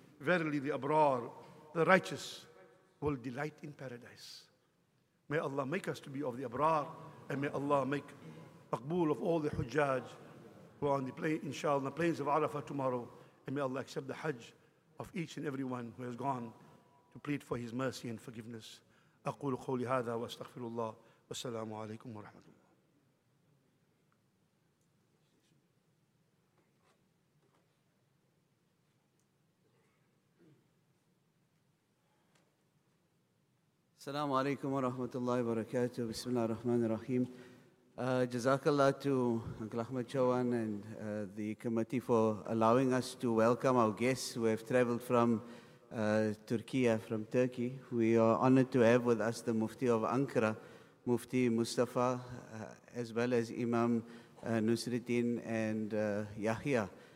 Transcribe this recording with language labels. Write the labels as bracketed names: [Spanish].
[English] Verily the Abrar, the righteous, will delight in paradise. May Allah make us to be of the Abrar, and may Allah make maqbool of all the Hujjaj who are on the plane, inshallah, the plains of Arafah tomorrow. And may Allah accept the Hajj of each and everyone who has gone to plead for His mercy and forgiveness. [Arabic] أقول قولي هذا وأستغفر الله والسلام عليكم ورحمة الله. السلام عليكم ورحمة الله وبركاته. بسم الله الرحمن الرحيم. جزاك الله [English] to Uncle Ahmed Chowan and the committee for allowing us to welcome our guests who have traveled from Turkey. We are honored to have with us the Mufti of Ankara, Mufti Mustafa, as well as Imam Nusreddin and Yahya.